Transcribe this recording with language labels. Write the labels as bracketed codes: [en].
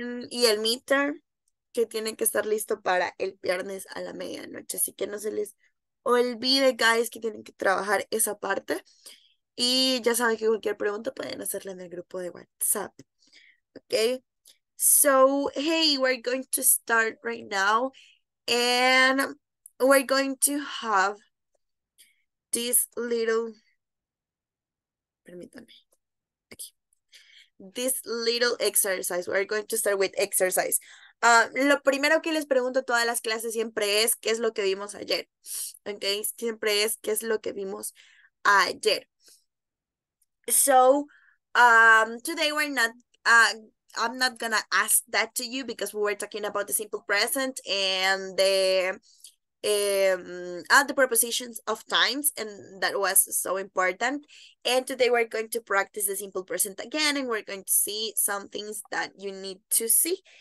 [es] Y el meter, que tiene que estar listo para el viernes a la medianoche. Así que no se les olvide, guys, que tienen que trabajar esa parte. Y ya saben que cualquier pregunta pueden hacerla en el grupo de WhatsApp. Okay. [en] So, hey, we're going to start right now. And we're going to have this little. [es] Permítanme. [en] This little exercise. We're going to start with exercise. [es] Lo primero que les pregunto a todas las clases siempre es: ¿qué es lo que vimos ayer? Okay. Siempre es: ¿qué es lo que vimos ayer? [en] So, today we're not, I'm not gonna ask that to you because we were talking about the simple present and the prepositions of times, and that was so important. And today we're going to practice the simple present again, and we're going to see some things that you need to see.